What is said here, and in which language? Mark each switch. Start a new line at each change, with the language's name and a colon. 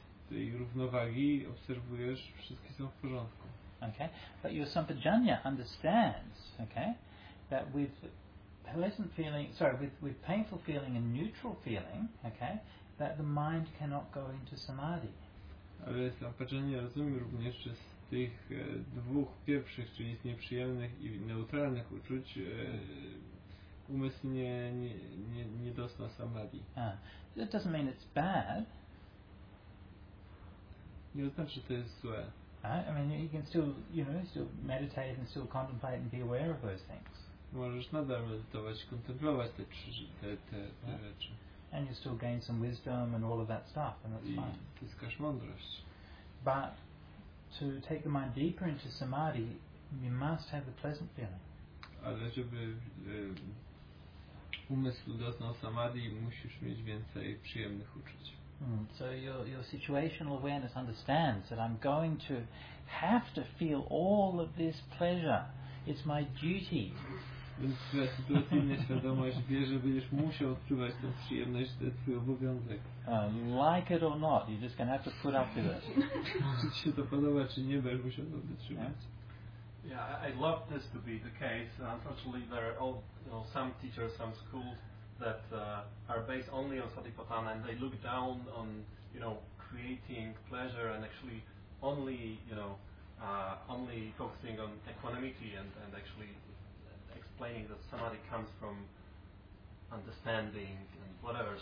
Polish: I równowagi obserwujesz, wszystkie są w porządku.
English: Okay, but your sampajanya understands, okay, that with pleasant feeling, sorry, with painful feeling and neutral feeling, okay, that the mind cannot go into samadhi.
Polish: Ale sampajanya rozumie również, że z tych dwóch pierwszych, czyli z nieprzyjemnych i neutralnych uczuć, umysł nie dostał samadhi.
English: That doesn't mean it's bad.
Polish: Nie oznacza, że to jest złe.
English: I mean, you can still, you know, still meditate and still contemplate and be aware of those things.
Polish: Możesz nadal medytować, kontemplować te rzeczy.
English: And you still gain some wisdom and all of that stuff, and that's fine.
Polish: I zyskasz mądrość.
English: But to take the mind deeper into samadhi, you must have the pleasant feeling.
Polish: Ale żeby umysł doznał samadhi, musisz mieć więcej przyjemnych uczuć.
English: So your situational awareness understands that I'm going to have to feel all of this pleasure. It's my duty.
Polish: Więc twoja sytuacyjna świadomość wie, że będziesz musiał odczuwać tę przyjemność, to jest twój obowiązek.
English: Like it or not, you're just gonna have to put up with it.
Polish: Czy ci się to podoba, czy nie, będziesz musiał to wytrzymać.
English: Yeah, I'd love this to be the case. Unfortunately, there are all, you know, some teachers, some schools that are based only on satipatthana, and they look down on, you know, creating pleasure and actually only, you know, only focusing on equanimity and actually explaining that samadhi comes from understanding and whatever.